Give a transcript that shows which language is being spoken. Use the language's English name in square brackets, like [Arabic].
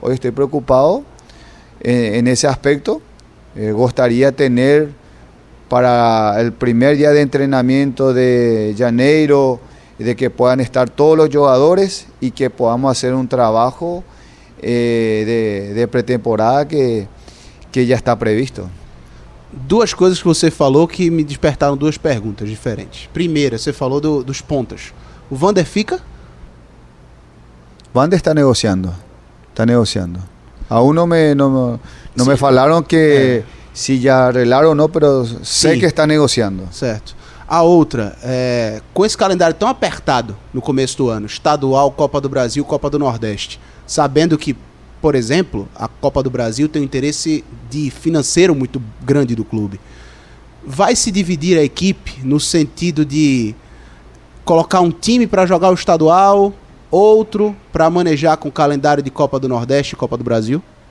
[Spanish] Hoy estoy preocupado en ese aspecto. Gustaría tener para el primer día de entrenamiento de janeiro, de que puedan estar todos los jugadores y que podamos hacer un trabajo de pretemporada que ya está previsto. [Portuguese] Duas coisas que você falou que me despertaram duas perguntas diferentes. Primeira, você falou dos pontas. O Vander fica? Vander está negociando. Está negociando. [Spanish] Aún no me falaron que si ya arreglaron o no, pero sé que está negociando. [Portuguese] Certo. A outra, com esse calendário tão apertado no começo do ano, estadual, Copa do Brasil, Copa do Nordeste, sabendo que, por exemplo, a Copa do Brasil tem um interesse de financeiro muito grande do clube, vai se dividir a equipe no sentido de colocar um time para jogar o estadual, outro para manejar com o calendário de Copa do Nordeste e Copa do Brasil?